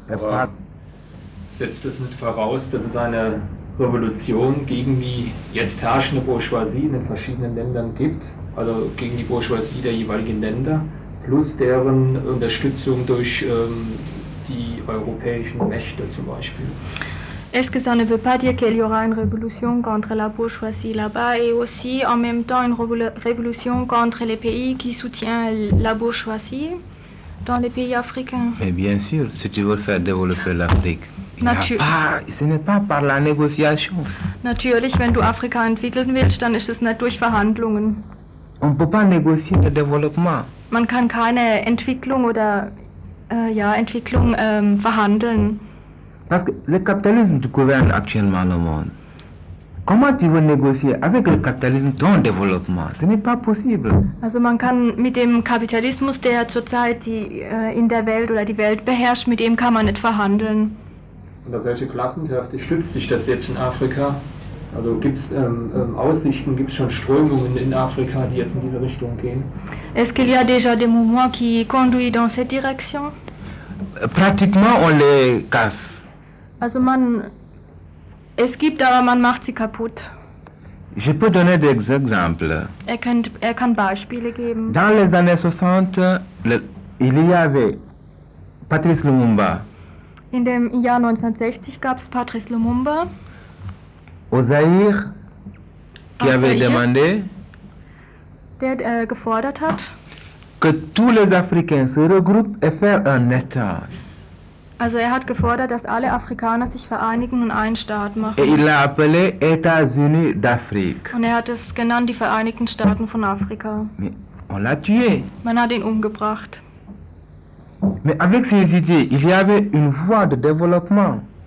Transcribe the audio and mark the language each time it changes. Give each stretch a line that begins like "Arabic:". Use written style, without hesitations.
German: Aber setzt es nicht voraus, dass es eine Revolution gegen die jetzt herrschende Bourgeoisie in den verschiedenen Ländern gibt, also gegen die Bourgeoisie der jeweiligen Länder, plus deren Unterstützung durch die europäischen Mächte zum Beispiel?
French: Est-ce que ça ne veut pas dire qu'il y aura une révolution contre la bourgeoisie là-bas et aussi en même temps une révolution contre les pays qui soutiennent la bourgeoisie dans les pays africains? Mais bien sûr, si tu veux faire développer l'Afrique, ce n'est pas par la négociation.
German: Natürlich, wenn du Afrika entwickeln willst, dann ist es nicht durch Verhandlungen.
French: On ne peut pas négocier le développement.
German: Man kann keine Entwicklung oder Entwicklung verhandeln.
French: Parce que le capitalisme tu gouvernes actuellement le monde. Comment tu veux négocier avec le capitalisme ton développement? Ce n'est pas possible.
German: Also man kann mit dem Kapitalismus, der zurzeit in der Welt oder die Welt beherrscht, mit dem kann man nicht verhandeln. Und auf welche Klassenkräfte stützt sich das jetzt in Afrika? Also gibt es Aussichten, gibt es schon Strömungen in Afrika, die jetzt in diese Richtung gehen? Est-ce qu'il y a déjà des mouvements qui conduisent dans cette direction?
French: pratiquement on les casse.
German: Also man, es gibt, aber man macht sie kaputt.
French: Je peux donner des exemples.
German: Er kann Beispiele geben.
French: Dans les années 60, il y avait Patrice Lumumba.
German: In dem Jahr 1960 gab es Patrice Lumumba.
French: Au Zaïre, qui au avait Zaïre, demandé,
German: der gefordert hat,
French: que tous les Africains se regroupent et faire un État.
German: Also er hat gefordert, dass alle Afrikaner sich vereinigen und einen Staat machen.
French: Et il a appelé États-Unis d'Afrique.
German: Und er hat es genannt, die Vereinigten Staaten von Afrika.
French: Mais on l'a tué.
German: Man hat ihn umgebracht.
French: Mais avec ses idées, il y avait une voie de développement.